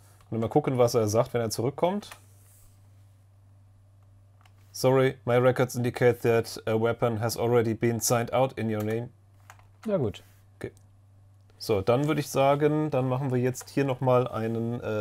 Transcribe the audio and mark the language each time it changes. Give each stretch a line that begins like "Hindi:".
German: Und mal gucken, was er sagt, wenn er zurückkommt.
English: Sorry, my records indicate that a weapon has already been signed out in your name.
German: Na gut. Okay. So, dann würde ich sagen, dann machen wir jetzt hier nochmal einen...